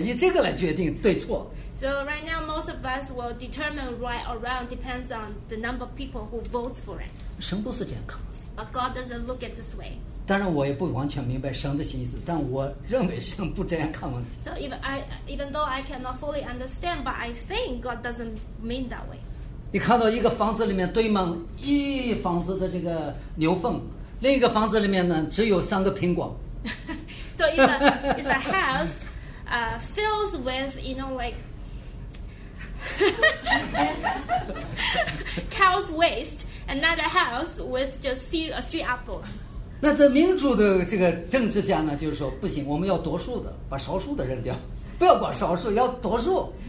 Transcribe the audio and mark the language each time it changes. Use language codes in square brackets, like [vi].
[zh] 以这个来决定对错。 [en] So right now, most of us will determine right or wrong depends on the number of people who votes for it. [zh] 神不是这样看。 [en] But God doesn't look at this way. [zh] 当然我也不完全明白神的心思，但我认为神不这样看问题。 [en] So even though I cannot fully understand, but I think God doesn't mean that way. [zh] 你看到一个房子里面堆满一房子的这个牛粪，另一个房子里面呢只有三个苹果。 [en] So it's a house, fills with, you know, like cow's waste, another house with just few three apples. [zh] 那这民主的这个政治家呢，就是说不行，我们要多数的，把少数的扔掉，不要管少数，要多数。